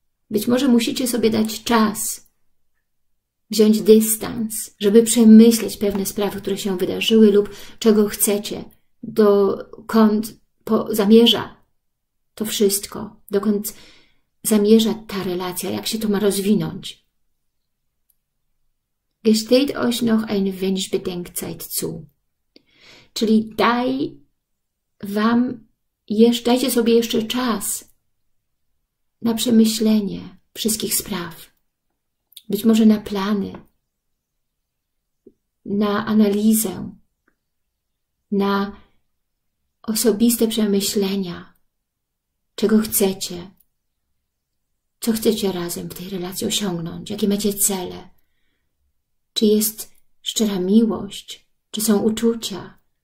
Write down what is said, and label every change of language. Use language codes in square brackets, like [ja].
[pl] Być może musicie sobie dać czas, wziąć dystans, żeby przemyśleć pewne sprawy, które się wydarzyły lub czego chcecie, dokąd zamierza to wszystko, dokąd zamierza ta relacja, jak się to ma rozwinąć. [de] Gesteht euch noch ein wenig Bedenkzeit zu. [pl] Czyli daj Wam dajcie sobie jeszcze czas na przemyślenie wszystkich spraw, być może na plany, na analizę, na osobiste przemyślenia, czego chcecie, co chcecie razem w tej relacji osiągnąć, jakie macie cele, czy jest szczera miłość, czy są uczucia.